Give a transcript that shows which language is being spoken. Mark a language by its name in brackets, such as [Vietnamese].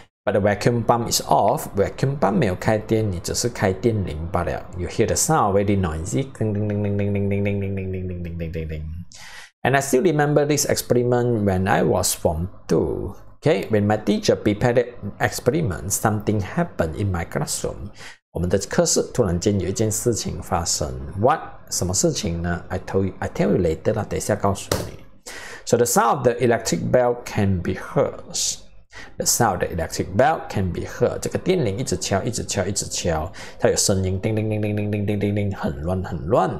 [English] But the vacuum pump is off. Vacuum pump [Chinese] 没有开电，你只是开电铃罢了. [English] You hear the sound very noisy, ding ding ding ding ding ding ding ding ding ding ding ding ding ding ding ding. And I still remember this experiment when I was form 2. Okay, when my teacher prepared the experiment, something happened in my classroom. [Chinese] 我们的课室突然间有一件事情发生。 [English] What? [Chinese] 什么事情呢? [English] I tell you later [Chinese] 啦，等一下告诉你。 [English] So the sound of the electric bell can be heard. The sound of the electric bell can be heard. [Chinese] 这个电铃一直敲，一直敲，一直敲，它有声音，叮叮叮叮叮叮叮叮叮，很乱很乱。